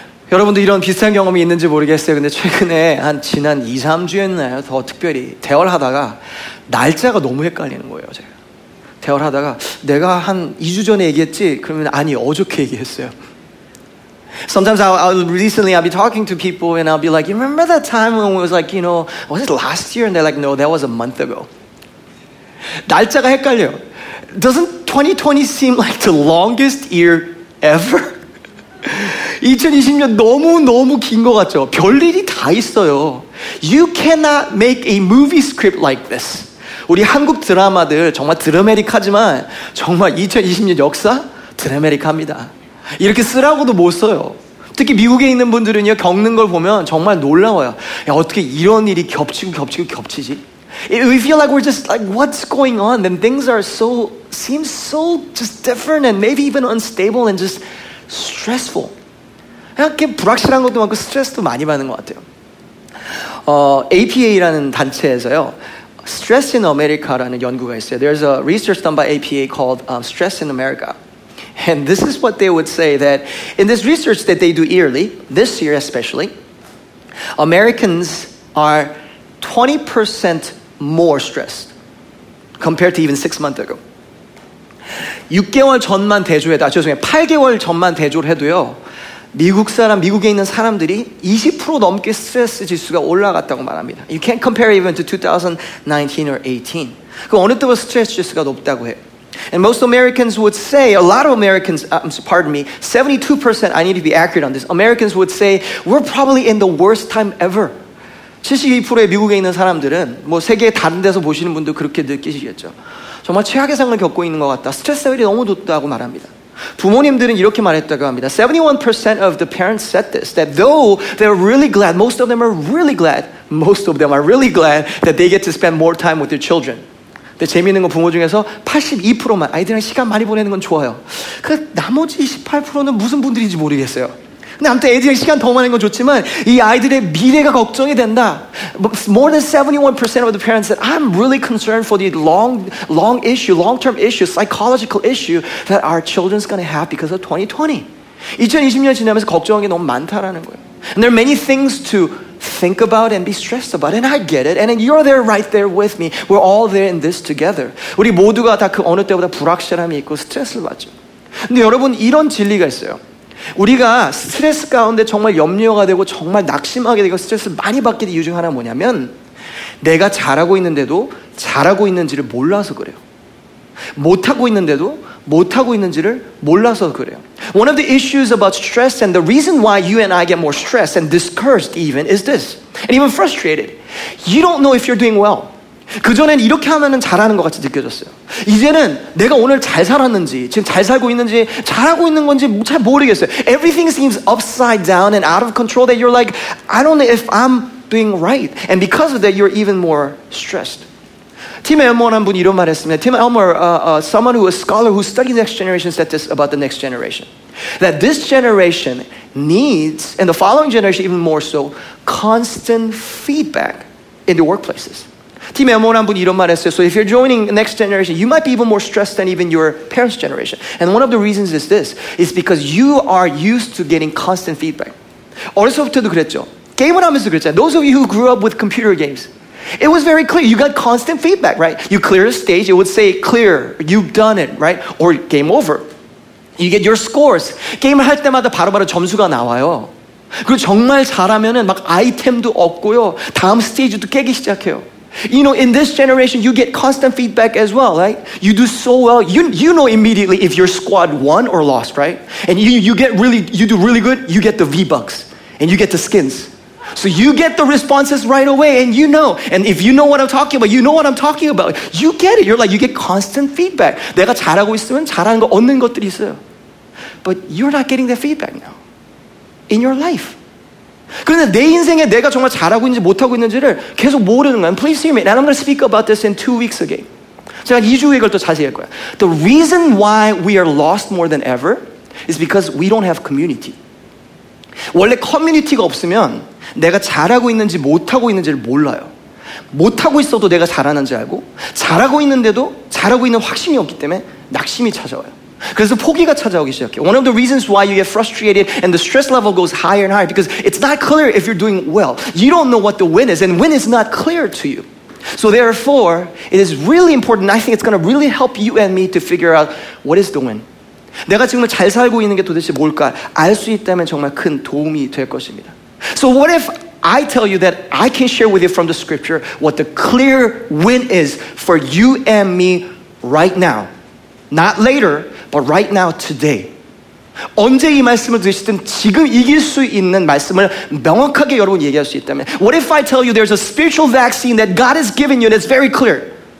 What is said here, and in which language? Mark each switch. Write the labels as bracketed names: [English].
[Korean] 여러분도 이런 비슷한 경험이 있는지 모르겠어요. 근데 최근에 한 지난 2, 3주였나요? 더 특별히 대화를 하다가 날짜가 너무 헷갈리는 거예요. 제가 대화를 하다가 내가 한 2주 전에 얘기했지? 그러면 아니, 어저께 얘기했어요. [English] Sometimes recently I'll be talking to people and I'll be like, you remember that time when it was like, you know, was it last year? And they're like, no, that was a month ago. [Korean] 날짜가 헷갈려. [English] Doesn't 2020 seem like the longest year ever? [Korean] 2020년 너무너무 긴 것 같죠? 별일이 다 있어요. [English] You cannot make a movie script like this. [Korean] 우리 한국 드라마들 정말 드라마틱하지만 정말 2020년 역사 드라마틱합니다. 이렇게 쓰라고도 못 써요. 특히 미국에 있는 분들은요, 겪는 걸 보면 정말 놀라워요. 야, 어떻게 이런 일이 겹치지? [English] We feel like we're just like, what's going on? Then things are so, seem so just different and maybe even unstable and just stressful. [Korean] 이렇게 불확실한 것도 많고 스트레스도 많이 받는 것 같아요. APA라는 단체에서요, Stress in America라는 연구가 있어요. [English] There's a research done by APA called Stress in America. And this is what they would say, that in this research that they do yearly, this year especially, Americans are 20% more stressed compared to even 6 months ago. [Korean] 6개월 전만 대조해도, 아, 죄송해요. 8개월 전만 대조를 해도요, 미국 사람, 미국에 있는 사람들이 20% 넘게 스트레스 지수가 올라갔다고 말합니다. [English] You can't compare even to 2019 or 18. [Korean] 그 어느 때보다 스트레스 지수가 높다고 해요. [English] And most Americans would say, a lot of Americans, pardon me, 72%, I need to be accurate on this, Americans would say, we're probably in the worst time ever. [Korean] 72%의 미국에 있는 사람들은 뭐 세계 다른 데서 보시는 분도 그렇게 느끼시겠죠. 정말 최악의 상황을 겪고 있는 것 같다. 스트레스 레벨이 너무 높다고 말합니다. 부모님들은 이렇게 말했다고 합니다. [English] 71% of the parents said this, that though they're really glad, most of them are really glad, most of them are really glad that they get to spend more time with their children. [Korean] 근데 재미있는 건 부모 중에서 82%만 아이들이랑 시간 많이 보내는 건 좋아요. 그 나머지 18%는 무슨 분들인지 모르겠어요. 근데 아무튼 애들이랑 시간 더 많은 건 좋지만 이 아이들의 미래가 걱정이 된다. [English] More than 71% of the parents said, I'm really concerned for the long-term issue, psychological issue that our children's going to have because of 2020. [Korean] 2020년 지나면서 걱정한 게 너무 많다라는 거예요. [English] And there are many things to think about and be stressed about, and I get it. And then you're there right there with me. We're all there in this together. [Korean] 우리 모두가 다 그 어느 때보다 불확실함이 있고 스트레스를 받죠. 근데 여러분 이런 진리가 있어요. 우리가 스트레스 가운데 정말 염려가 되고 정말 낙심하게 되고 스트레스를 많이 받게 된 이유 중 하나 뭐냐면 내가 잘하고 있는데도 잘하고 있는지를 몰라서 그래요. 못하고 있는데도 못하고 있는지를 몰라서 그래요. [English] One of the issues about stress and the reason why you and I get more stressed and discouraged even is this. And even frustrated. You don't know if you're doing well. [Korean] 그전엔 이렇게 하면 잘하는 것 같이 느껴졌어요. 이제는 내가 오늘 잘 살았는지 지금 잘 살고 있는지 잘하고 있는 건지 잘 모르겠어요. [English] Everything seems upside down and out of control that you're like, I don't know if I'm doing right. And because of that, you're even more stressed. [Korean] Tim Elmore 한 분이 이런 말 했습니다. [English] Tim Elmore, someone who is a scholar who studies next generation, said this about the next generation. That this generation needs, and the following generation even more so, constant feedback in the workplaces. Tim Elmore [Korean] 한 분이 이런 말 했어요. [English] So if you're joining the next generation, you might be even more stressed than even your parents' generation. And one of the reasons is this. It's because you are used to getting constant feedback. [Korean] 어렸을부터도 그랬죠. 게임을 하면서 그랬죠. [English] Those of you who grew up with computer games, it was very clear. You got constant feedback, right? You clear a stage, it would say clear. You've done it, right? Or game over. You get your scores. [Korean] 게임을 할 때마다 바로 점수가 나와요. 그리고 정말 잘하면은 막 아이템도 얻고요. 다음 스테이지도 깨기 시작해요. [English] You know, in this generation, you get constant feedback as well, right? You do so well. You know immediately if your squad won or lost, right? And you do really good, you get the V-Bucks. And you get the skins. So you get the responses right away, and you know. And if you know what I'm talking about, you know what I'm talking about. You get it. You're like, you get constant feedback. [Korean] 내가 잘하고 있으면 잘하는 거 얻는 것들이 있어요. [English] But you're not getting that feedback now. In your life. [Korean] 그런데 내 인생에 내가 정말 잘하고 있는지 못하고 있는지를 계속 모르는 거야. [English] Please hear me. And I'm going to speak about this in 2 weeks again. [Korean] 제가 2주 후에 이걸 또 자세히 할 거야. [English] The reason why we are lost more than ever is because we don't have community. [Korean] 원래 커뮤니티가 없으면 내가 잘하고 있는지 못하고 있는지를 몰라요. 못하고 있어도 내가 잘하는지 알고, 잘하고 있는데도 잘하고 있는 확신이 없기 때문에 낙심이 찾아와요. 그래서 포기가 찾아오기 시작해요. [English] One of the reasons why you get frustrated and the stress level goes higher and higher because it's not clear if you're doing well. You don't know what the win is, and win is not clear to you. So therefore, it is really important. I think it's going to really help you and me to figure out what is the win. [Korean] 내가 정말 잘 살고 있는 게 도대체 뭘까? 알 수 있다면 정말 큰 도움이 될 것입니다. [English] So what if I tell you that I can share with you from the scripture what the clear win is for you and me right now. Not later, but right now, today. [Korean] 언제 이 말씀을 드시든 지금 이길 수 있는 말씀을 명확하게 여러분 얘기할 수 있다면, [English] what if I tell you there's a spiritual vaccine that God has given you and it's very clear?